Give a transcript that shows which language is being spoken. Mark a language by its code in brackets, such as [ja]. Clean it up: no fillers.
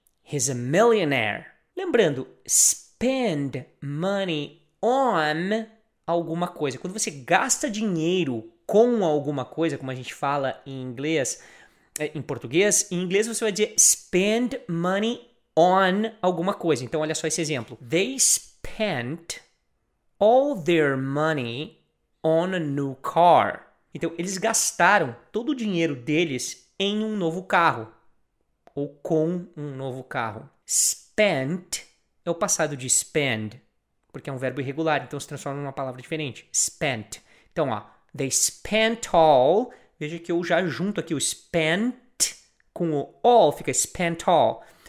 [en] He's a millionaire. [pt] Lembrando, [en] spend money on [pt] alguma coisa. Quando você gasta dinheiro com alguma coisa, como a gente fala em inglês, em português, em inglês você vai dizer [en] spend money on [pt] alguma coisa. Então, olha só esse exemplo. [en] They spent all their money on a new car. [pt] Então, eles gastaram todo o dinheiro deles em um novo carro. Ou com um novo carro. Spent é o passado de spend, porque é um verbo irregular, então se transforma numa palavra diferente. Spent. Então, ó, [en] they spent all. [pt] Veja que eu já junto aqui o spent com o all, fica spent all.